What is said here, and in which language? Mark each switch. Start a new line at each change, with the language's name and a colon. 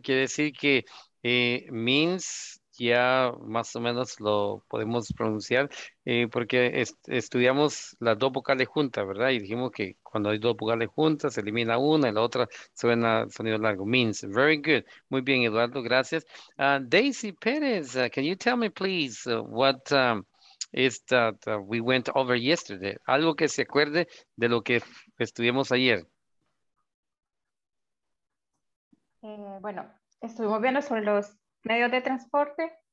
Spanish: Quiere decir que means ya más o menos lo podemos pronunciar, porque estudiamos las dos vocales juntas, ¿verdad? Y dijimos que cuando hay dos vocales juntas, se elimina una y la otra suena sonido largo.
English: Means, very good.
Spanish: Muy bien, Eduardo, gracias.
English: Daisy Perez, can you tell me, please, what is that we went over yesterday?
Spanish: Algo que se acuerde de lo que estudiamos ayer. Bueno, estuvimos viendo sobre los medios de transporte.